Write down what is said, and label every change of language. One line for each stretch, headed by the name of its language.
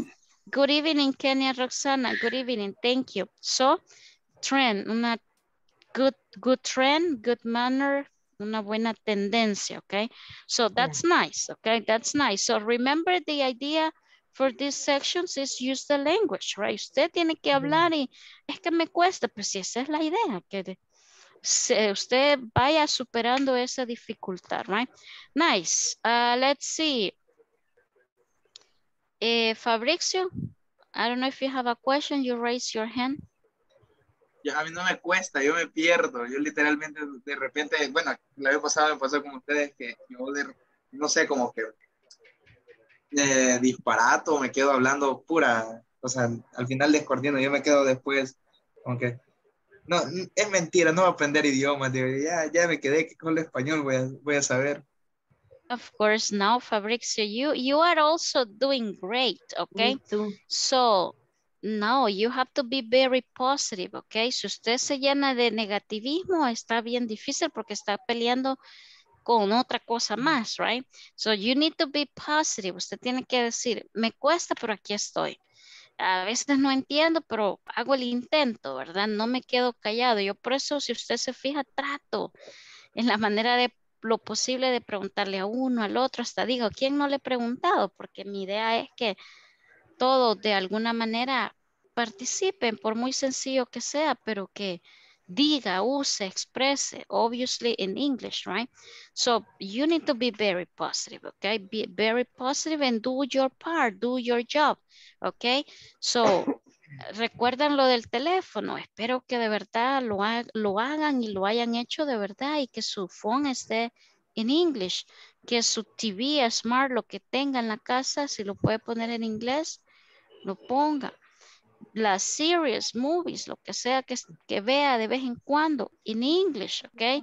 English: Okay? Good evening, Kenia Roxana. Good evening. Thank you. So, trend, una good trend, good manner,
Spanish: una buena tendencia,
English: okay? So that's nice, okay? That's nice. So remember the idea for these sections is use the language, right?
Spanish: Usted tiene que hablar y es que me cuesta, pues si esa es la idea, que usted vaya superando esa dificultad, right?
English: Nice. Let's see. Fabrizio, I don't know if you have a question, you raise your hand.
Spanish: Yo, a mí no me cuesta, yo me pierdo. Yo literalmente de repente, bueno, la vez pasada me pasó con ustedes que yo no sé, como que disparato, me quedo hablando pura, o sea, al final descoordino, yo me quedo después, como que, no, es mentira, no voy a aprender idiomas, digo, ya me quedé con el español, voy a saber.
English: Of course, now, Fabrizio, you are also doing great, okay? Me too. So, no, you have to be very positive, okay?
Spanish: Si usted se llena de negativismo, está bien difícil porque está peleando con otra cosa más, right?
English: So you need to be positive.
Spanish: Usted tiene que decir, me cuesta, pero aquí estoy. A veces no entiendo, pero hago el intento, ¿verdad? No me quedo callado. Yo por eso, si usted se fija, trato en la manera de lo posible de preguntarle a uno, al otro, hasta digo, ¿quién no le he preguntado? Porque mi idea es que todos de alguna manera participen, por muy sencillo que sea, pero que diga, use, exprese,
English: obviously in English, right? So you need to be very positive, okay? Be very positive and do your part, do your job, okay? So
Spanish: recuerdan lo del teléfono. Espero que de verdad lo hagan y lo hayan hecho de verdad y que su phone esté en English, que su TV smart, lo que tenga en la casa, si lo puede poner en inglés, lo ponga. Las series, movies, lo que sea que vea de vez en cuando, en English, ¿ok?